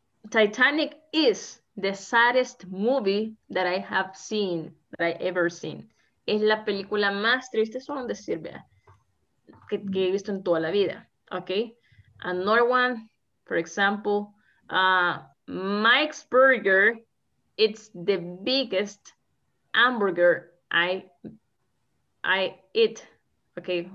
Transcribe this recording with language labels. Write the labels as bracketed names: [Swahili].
[English] Titanic is the saddest movie that I have seen, that I ever seen. [Spanish] Es la película más triste, solo decir, vea, que he visto en toda la vida, okay? [English] Another one, for example, Mike's Burger, it's the biggest hamburger I eat, okay?